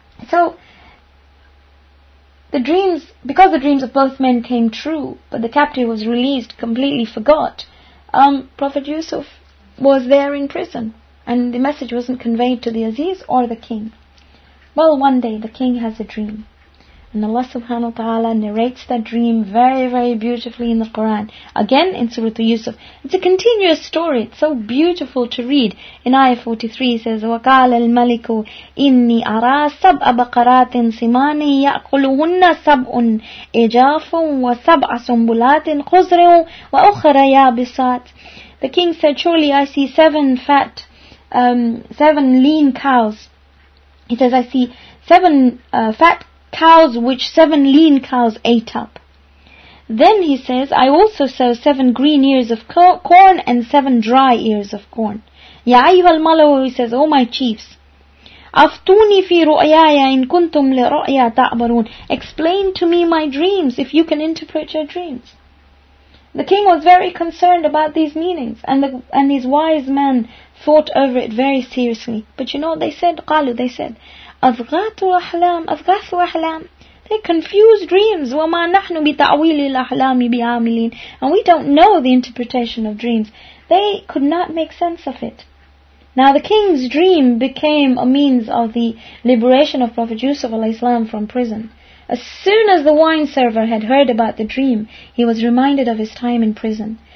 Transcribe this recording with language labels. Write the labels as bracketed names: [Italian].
[English] So the dreams, because the dreams of both men came true, but the captive was released, completely forgot, Prophet Yusuf was there in prison and the message wasn't conveyed to the Aziz or the king. Well, one day the king has a dream. And Allah subhanahu wa ta'ala narrates that dream very, very beautifully in the Quran. Again in Surah Yusuf. It's a continuous story. It's so beautiful to read. In Ayah 43 it says, [Arabic] وَقَالَ الْمَلِكُ إِنِّي أَرَى سَبْعَ بَقَرَاتٍ سِمَانٍ يَأْكُلُهُنَّ سَبْعٌ إِجَافٌ وَسَبْعَ سُنْبُلَاتٍ خُزْرٍ وَأُخْرَ يَابِسَاتٍ. [English] The king said, surely I see seven lean cows. He says, I see seven fat cows which seven lean cows ate up. Then he says, I also sow seven green ears of corn and seven dry ears of corn. [Arabic] Ya ayyuhal malaw, [English] he says, O my chiefs, [Arabic] aftuni fi ru'yaya in kuntum li ru'ya ta'barun. [English] Explain to me my dreams if you can interpret your dreams. The king was very concerned about these meanings, and his wise men thought over it very seriously. But you know what they said? [Arabic] Qalu, [English] they said, [Arabic] أضغاث أحلام أضغاث أحلام. [English] They confuse dreams. [Arabic] وما نحن بتأويل الأحلام بعاملين. [English] And we don't know the interpretation of dreams. They could not make sense of it. Now the king's dream became a means of the liberation of Prophet Yusuf alayhislam from prison. As soon as the wine server had heard about the dream, he was reminded of his time in prison.